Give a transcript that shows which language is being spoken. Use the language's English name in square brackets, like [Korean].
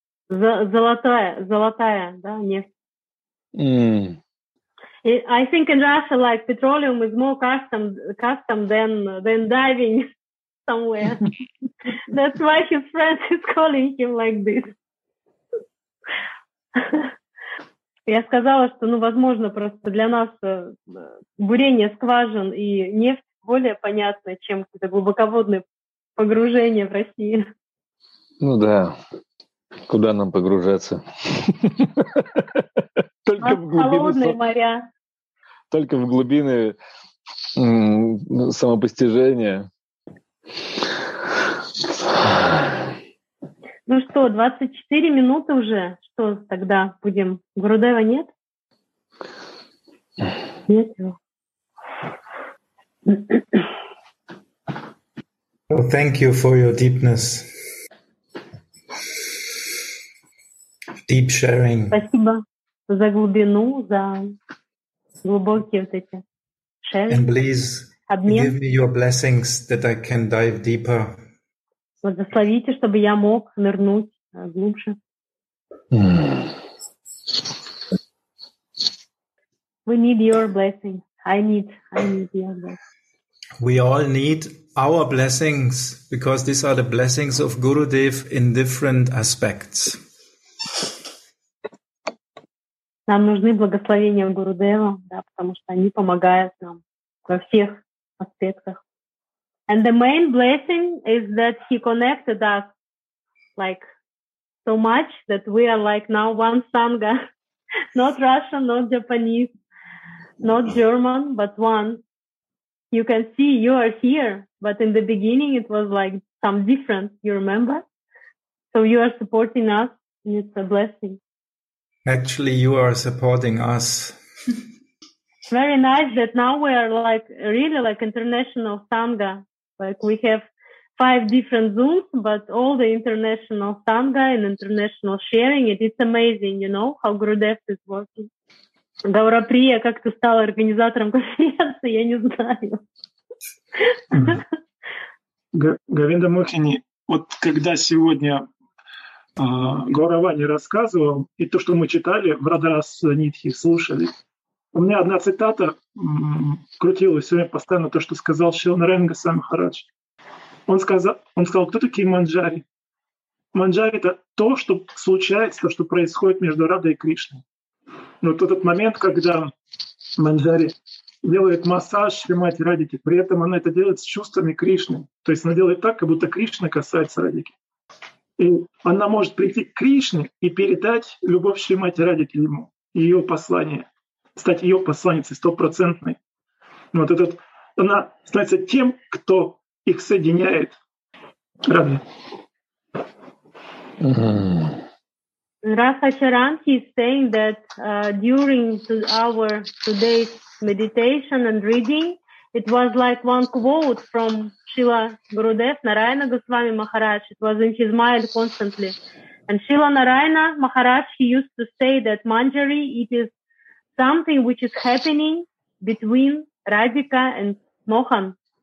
[Russian] Золотая, да, нефть. [English] I think in Russia, like, petroleum is more custom than diving somewhere. That's why his friend is calling him like this. [Russian] Я сказала, что, ну, возможно, просто для нас бурение скважин и нефть более понятно, чем какое-то глубоководное погружение в России. Ну да. Куда нам погружаться? Только в глубины моря. Только в глубины самопостижения. Ну что, 24 минуты уже? Что тогда будем? Гурудева нет? Нет его. [English] Thank you for your deepness. Deep sharing. [Russian] Спасибо за глубину, за глубокие вот эти [English] sharing. And please [Russian] обмен. [English] Give me your blessings that I can dive deeper. [Russian] Благословите, чтобы я мог нырнуть глубже. [English] We need your blessing. I need your blessing. We all need our blessings because these are the blessings of Gurudev in different aspects. [Russian] Нам нужны благословения Гурудева, да, потому что они помогают нам во всех аспектах. [English] And the main blessing is that he connected us like so much that we are like now one Sangha, not Russian, not Japanese, not German, but one. You can see you are here, but in the beginning it was like some different, you remember? So you are supporting us and it's a blessing. Actually, you are supporting us. Very nice that now we are like really like international Sangha. Like we have 5 different Zooms, but all the international Sangha and international sharing. It's amazing, you know, how Gurudev is working. [Russian] Гаураприя, как ты стала организатором конференции, я не знаю. Говинда Мохини, вот когда сегодня... Гауравани рассказывал, и то, что мы читали, в Радарас Нитхи слушали. У меня одна цитата крутилась все время постоянно, то, что сказал Шиланаренга Самхарадж. Он сказал, кто такие Манджари? Манджари — это то, что случается, то, что происходит между Радой и Кришной. Но вот этот момент, когда Манджари делает массаж Шримати Радике, при этом она это делает с чувствами Кришны. То есть она делает так, как будто Кришна касается Радики. И она может прийти к Кришне и передать любовь Шримати Радике ему, ее послание, стать ее посланницей стопроцентной. Вот этот, она становится тем, кто их соединяет. Рады. [English] Rasa Charanti is saying that during our today's meditation and reading, it was like one quote from Srila Gurudev Narayana Goswami Maharaj. It was in his mind constantly. And Srila Narayana Maharaj, he used to say that Manjari, it is something which is happening between Radhika and Mohan.